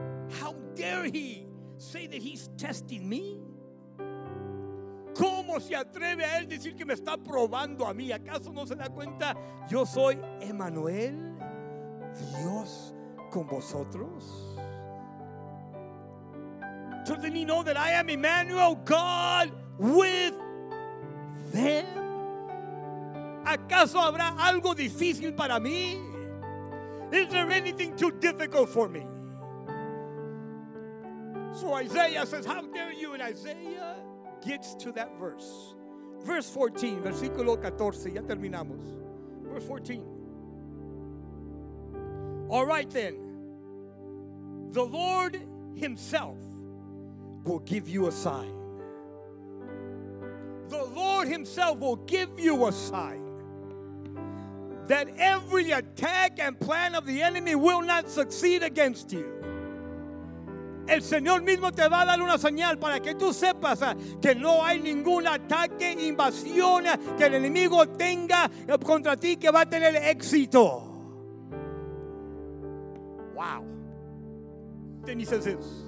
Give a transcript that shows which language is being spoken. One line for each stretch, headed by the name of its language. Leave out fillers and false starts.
English: How dare he say that he's testing me?
Spanish: ¿Cómo se atreve a él decir que me está probando a mí? ¿Acaso no se da cuenta? Yo soy Emmanuel, Dios con vosotros.
English: Doesn't he know that I am Emmanuel, God with them?
Spanish: ¿Acaso habrá algo difícil para mí?
English: Is there anything too difficult for me? So Isaiah says, how dare you? And Isaiah gets to that verse. Verse 14,
Spanish: versículo 14, ya terminamos.
English: Verse 14. All right then, the Lord himself will give you a sign. The Lord himself will give you a sign that every attack and plan of the enemy will not succeed against you.
Spanish: El Señor mismo te va a dar una señal para que tú sepas que no hay ningún ataque, invasión que el enemigo tenga contra ti que va a tener éxito.
English: Wow. Then he says this.